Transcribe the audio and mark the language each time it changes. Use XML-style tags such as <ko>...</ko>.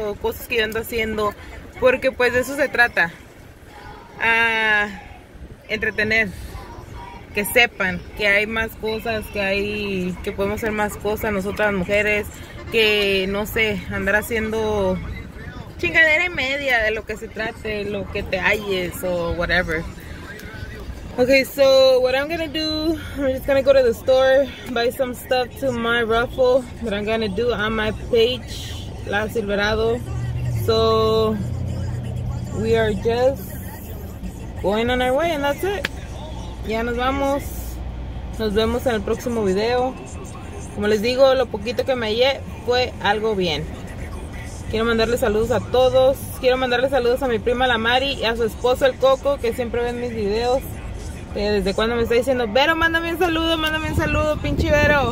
<es>O cosas que yo ando haciendo, porque pues de eso se trata, a entretener, que sepan que hay más cosas, que podemos hacer más cosas nosotras las mujeres, que no sé, andar haciendo chingadera y media de lo que se trate, lo que te halles o whatever.</es> <en>Okay, so what I'm gonna do, I'm just gonna go to the store, buy some stuff to my raffle that I'm gonna do on my page, La Silverado. So we are just going on our way and that's it.</en> <es>Ya nos vamos. Nos vemos en el próximo video. Como les digo, lo poquito que me hallé fue algo bien. Quiero mandarle saludos a todos. Quiero mandarle saludos a mi prima la Mari y a su esposo el Coco, que siempre ven mis videos. Desde cuando me está diciendo, Vero, mándame un saludo, pinche Vero.</es>